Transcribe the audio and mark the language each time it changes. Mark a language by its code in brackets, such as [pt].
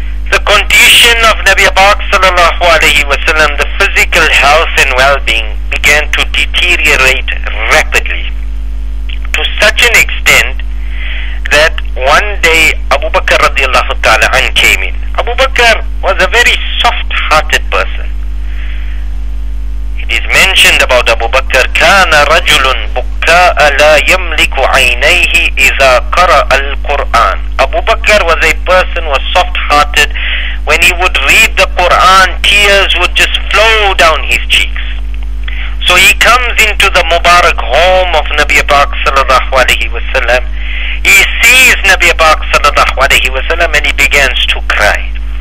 [en] The condition of Nabi Pak sallallahu alayhi wa sallam, the physical health and well-being began to deteriorate rapidly. To such an extent that one day Abu Bakr radiallahu ta'ala anha came in. Abu Bakr was a very soft-hearted person. It is mentioned about Abu Bakr, [ar] كان رجل بكاء لا يملك عينيه إذا قرأ القرآن. [en] Abu Bakr was a person who was soft-hearted. When he would read the Quran, tears would just flow down his cheeks. So So he comes into the Mubarak home of Nabi Pak sallallahu alayhi wa sallam. He sees Nabi Pak sallallahu alayhi wa sallam and he begins to cry.